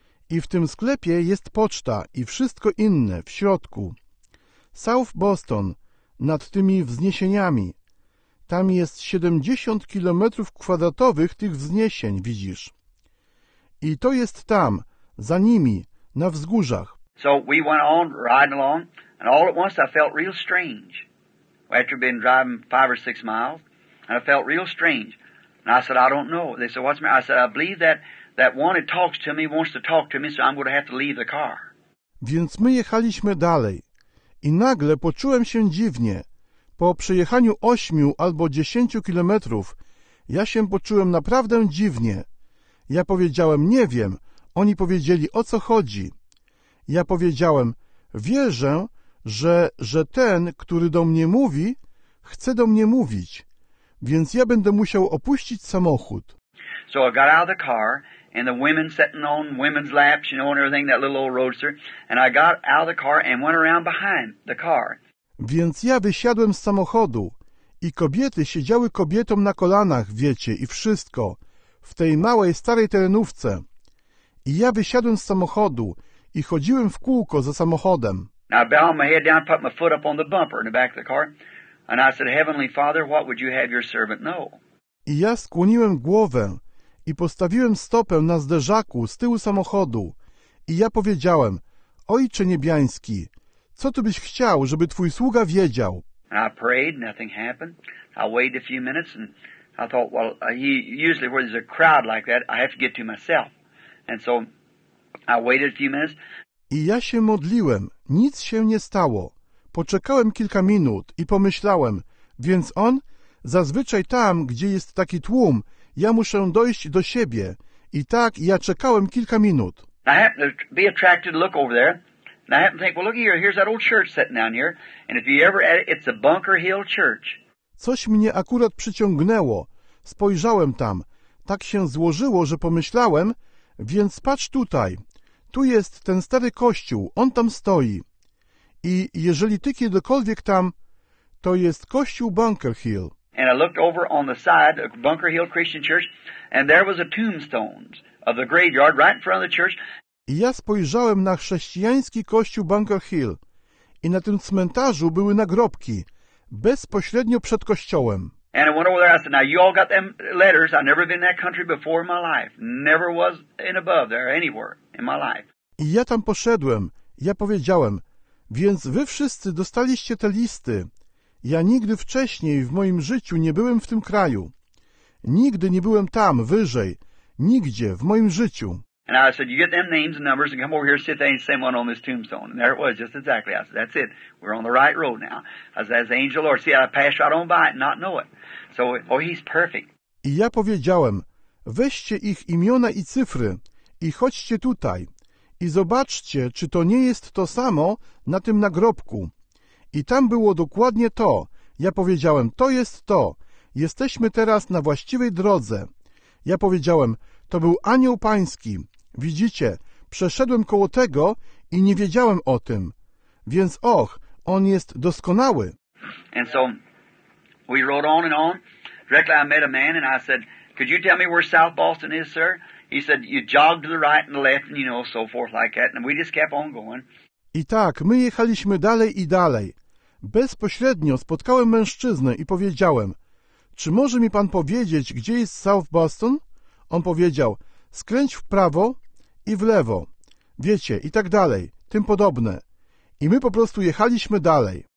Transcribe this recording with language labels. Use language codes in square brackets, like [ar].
[pl] I w tym sklepie jest poczta i wszystko inne w środku. South Boston, nad tymi wzniesieniami. Tam jest 70 kilometrów kwadratowych tych wzniesień, widzisz. I to jest tam, za nimi, na wzgórzach. [en] So we went on, riding along, and all at once I felt real strange. After been driving 5 or 6 miles, and I felt real strange. And I said, I don't know. They said, what's the matter? I said, I believe that one that talks to me wants to talk to me, so I'm going to have to leave the car. [pl] Więc my jechaliśmy dalej. I nagle poczułem się dziwnie. Po przejechaniu 8 albo 10 kilometrów, ja się poczułem naprawdę dziwnie. Ja powiedziałem, nie wiem. Oni powiedzieli, o co chodzi. Ja powiedziałem, wierzę, że ten, który do mnie mówi, chce do mnie mówić. Więc ja będę musiał opuścić samochód. [en] So I got out of the car. And the women sitting on women's laps, you know, and everything, that little old roadster. And I got out of the car and went around behind the car. [pl] Więc ja wysiadłem z samochodu i kobiety siedziały kobietom na kolanach, wiecie, i wszystko, w tej małej, starej terenówce. I ja wysiadłem z samochodu i chodziłem w kółko za samochodem. [en] I bowed my head down, put my foot up on the bumper in the back of the car. And I said, Heavenly Father, what would you have your servant know? [pl] I ja skłoniłem głowę. I postawiłem stopę na zderzaku z tyłu samochodu. I ja powiedziałem, Ojcze Niebiański, co ty byś chciał, żeby twój sługa wiedział? [en] I prayed, nothing happened. I waited a few minutes and I thought, well, usually where there's a crowd like that, I have to get to myself. And so I waited a few minutes. [pl] I ja się modliłem, nic się nie stało. Poczekałem kilka minut i pomyślałem, więc on, zazwyczaj tam, gdzie jest taki tłum, ja muszę dojść do siebie. I tak ja czekałem kilka minut. [en] I happened to be attracted to look over there. And I happened to think, well, look here, here's that old church sitting down here. And if you ever at it, it's a Bunker Hill Church. [pl] Coś mnie akurat przyciągnęło. Spojrzałem tam. Tak się złożyło, że pomyślałem, więc patrz tutaj. Tu jest ten stary kościół. On tam stoi. I jeżeli ty kiedykolwiek tam, to jest kościół Bunker Hill. [en] and I looked over on the side of Bunker Hill Christian Church, and there was a tombstone of the graveyard right in front of the church. [pl] Ja spojrzałem na chrześcijański kościół Bunker Hill i na tym cmentarzu były nagrobki bezpośrednio przed kościołem. [en] And I went over there. I said, "Now you all got them letters. I've never been in that country before in my life. Never was in above there anywhere in my life." [pl] I ja tam poszedłem. Ja powiedziałem: "Więc wy wszyscy dostaliście te listy. Ja nigdy wcześniej w moim życiu nie byłem w tym kraju. Nigdy nie byłem tam wyżej, nigdzie w moim życiu." [en] And I said, "You get them names and numbers and come over here and sit there and send one on this tombstone." And there it was, just exactly. I said, "That's it. We're on the right road now." I said, "That's the angel Lord. See, I passed right on by it and not know it." So, oh, he's perfect. [pl] I ja powiedziałem: "Weźcie ich imiona i cyfry i chodźcie tutaj i zobaczcie, czy to nie jest to samo na tym nagrobku." I tam było dokładnie to. Ja powiedziałem: "To jest to. Jesteśmy teraz na właściwej drodze." Ja powiedziałem: "To był anioł pański. Widzicie, przeszedłem koło tego i nie wiedziałem o tym. Więc och, on jest doskonały." [en] And so we rode on and on. Directly I met a man and I said, "Could you tell me where South Boston is, sir?" He said, "You jogged to the right and the left and you know, so forth like that." And we just kept on going. [pl] I tak, my jechaliśmy dalej i dalej. Bezpośrednio spotkałem mężczyznę i powiedziałem: "Czy może mi pan powiedzieć, gdzie jest South Boston?" On powiedział: "Skręć w prawo i w lewo. Wiecie, i tak dalej, tym podobne." I my po prostu jechaliśmy dalej.